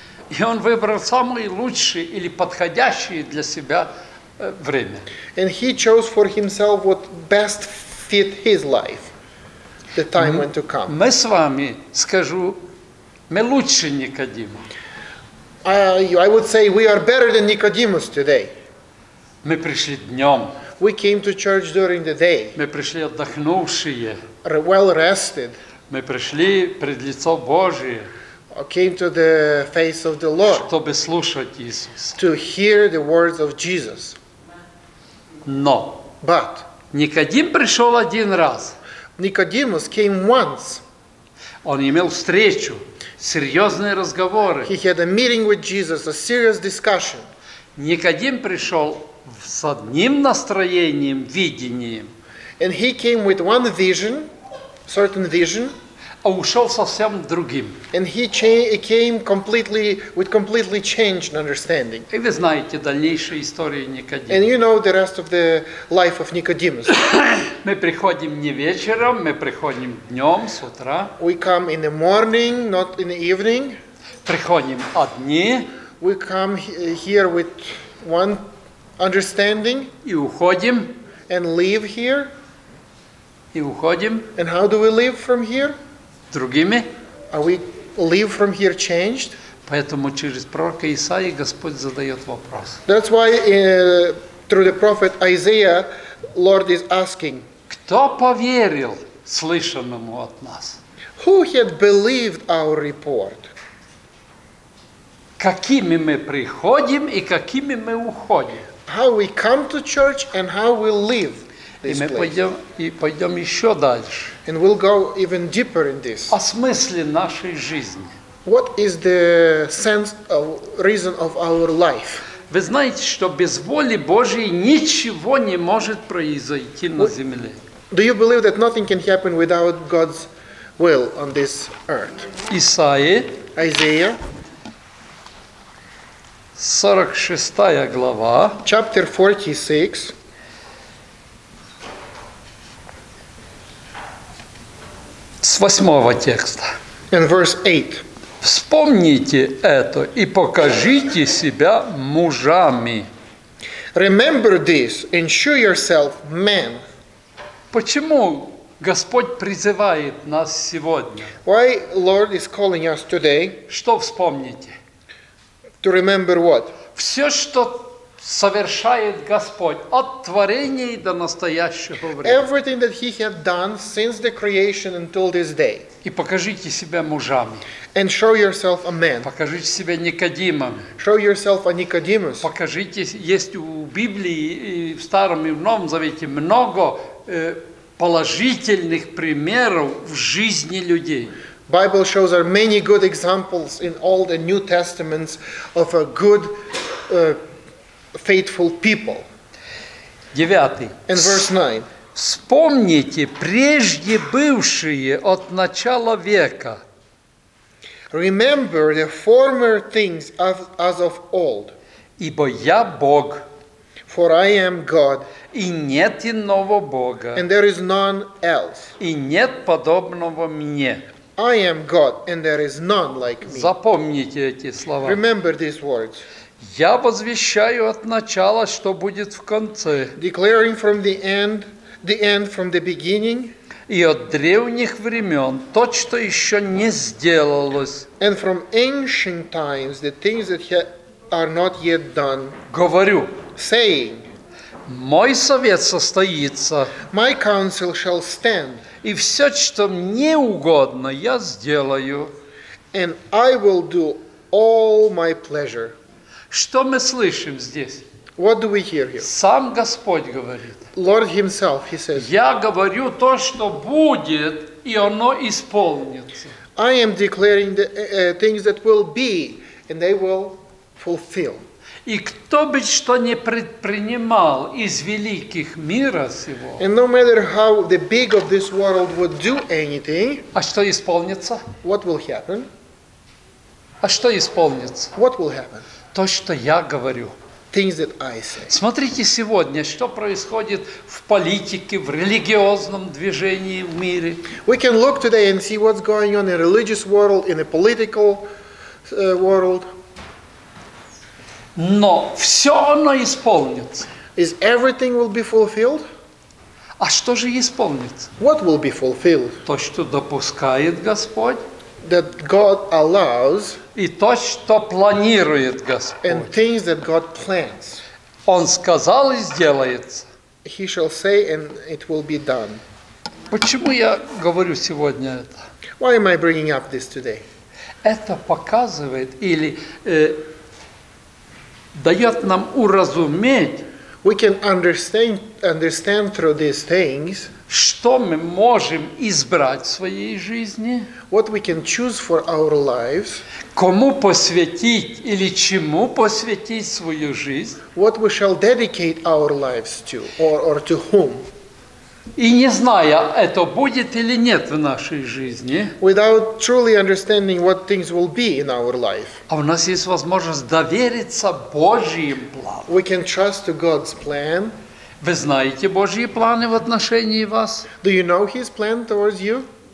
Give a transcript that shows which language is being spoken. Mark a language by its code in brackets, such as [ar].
[ru] И он выбрал самое лучшее или подходящее для себя время. [en] And he chose for himself what best fit his life. the time when to come. [ru] Мы с вами скажу, мы лучше Никодима. [en] I would say we are better than Nicodemus today. [ru] Мы пришли днем. [en] We came to church during the day. [ru] Мы пришли отдохнувшие. [en] Well rested. [ru] Мы пришли пред лицо Божие. [en] Came to the face of the Lord. [ru] Чтобы слушать Иисуса. [en] To hear the words of Jesus. [ru] Но. [en] But. [ru] Никодим пришел один раз. [en] Nicodemus came once. [ru] Он имел встречу, серьезные разговоры. [en] He had a meeting with Jesus, a serious discussion. [ru] Никодим пришел с одним настроением, видением. [en] And he came with one vision, certain vision. [ru] А ушел совсем другим. [en] And he came completely with completely changed understanding. [ru] И вы знаете дальнейшую историю Никодима. [en] And you know the rest of the life of Nicodemus. [ru] Мы приходим не вечером, мы приходим днем, с утра. [en] We come in the morning, not in the evening. [ru] Приходим одни. [en] We come here with one understanding. [ru] И уходим. [en] And leave here. [ru] И уходим. [en] And how do we leave from here? [ru] Другими. [en] Are we leave from here changed? [ru] Поэтому через пророка Исаии Господь задает вопрос. [en] That's why through the prophet Isaiah, Lord is asking. [ru] Кто поверил слышанному от нас? [en] Who had believed our report? [ru] Какими мы приходим и какими мы уходим? [en] How we come to church and how we leave. [ru] И мы пойдем еще дальше. [en] And we'll go even deeper in this. [ru] О смысле нашей жизни. [en] What is the sense of reason of our life? [ru] Вы знаете, что без воли Божьей ничего не может произойти на земле. [en] Do you believe that nothing can happen without God's will on this earth? [ru] Исаия. [en] Isaiah. [ru] 46 глава. [en] Chapter 46. [ru] С восьмого текста. [en] In verse 8. [ru] Вспомните это и покажите себя мужами. [en] Remember this and show yourself men. [ru] Почему Господь призывает нас сегодня? [en] Why Lord is calling us today? [ru] Что вспомните? [en] To remember what? [ru] Все, что совершает Господь от творения до настоящего времени. [en] Everything that He had done since the creation until this day. [ru] И покажите себя мужами. [en] And show yourself a man. [ru] Покажите себя Никодимом. [en] Show yourself a Nicodemus. [ru] Покажите, есть у Библии и в Старом и в Новом Завете много положительных примеров в жизни людей. [en] Bible shows there are many good examples in all the New Testaments of a good faithful people. [ru] 9. [en] And verse 9. [ru] Вспомните прежде бывшие от начала века. [en] Remember the former things as of old. [ru] Ибо я Бог. [en] For I am God. [ru] И нет иного Бога. [en] And there is none else. [ru] И нет подобного мне. [en] I am God and there is none like me. [ru] Запомните эти слова. [en] Remember these words. [ru] Я возвещаю от начала, что будет в конце. [en] Declaring from the end from the beginning. [ru] И от древних времен то, что еще не сделалось. [en] And from ancient times, the things that are not yet done. [ru] Говорю. [en] Saying. [ru] Мой совет состоится. [en] My counsel shall stand. [ru] И все, что мне угодно, я сделаю. [en] And I will do all my pleasure. [ru] Что мы слышим здесь? [en] What do we hear here? [ru] Сам Господь говорит. [en] Lord himself, he says. [ru] Я говорю то, что будет, и оно исполнится. [en] I am declaring the things that will be, and they will fulfill. [ru] И кто бы что ни предпринимал из великих мира сего. [en] And no matter how the big of this world would do anything. [ru] А что исполнится? [en] What will happen? [ru] А что исполнится? [en] What will happen? [ru] То, что я говорю. [en] Things that I say. [ru] Смотрите сегодня, что происходит в политике, в религиозном движении в мире. [en] We can look today and see what's going on in the religious world, in the political world. [ru] Но все оно исполнится. [en] Is everything will be fulfilled? [ru] А что же исполнится? [en] What will be fulfilled? [ru] То, что допускает Господь. [en] That God allows. [ru] И то, что планирует Господь. [en] And things that God plans. [ru] Он сказал и сделается. [en] He shall say and it will be done. [ru] Почему я говорю сегодня это? [en] Why am I bringing up this today? [ru] Это показывает или дает нам уразуметь. [en] We can understand through these things. [ru] Что мы можем избрать в своей жизни? [en] What we can choose for our lives? [ru] Кому посвятить или чему посвятить свою жизнь? [en] What we shall dedicate our lives to, or to whom? [ru] И не зная, это будет или нет в нашей жизни. [en] Without truly understanding what things will be in our life. [ru] А у нас есть возможность довериться Божьим планам. [en] We can trust to God's plan. [ru] Вы знаете Божьи планы в отношении вас? [en] Do you know His plan towards you?